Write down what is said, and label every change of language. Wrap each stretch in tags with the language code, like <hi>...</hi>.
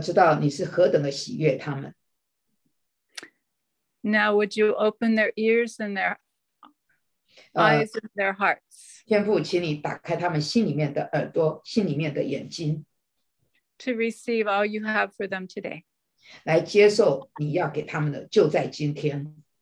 <zh>知道你是何等的喜悦他们。</zh> <en>Now, would you open their ears and their eyes and their hearts?</en> <zh>天父，请你打开他们心里面的耳朵，心里面的眼睛。</zh> <en>To receive all you have for them today.</en> <zh>来接受你要给他们的，就在今天。</zh>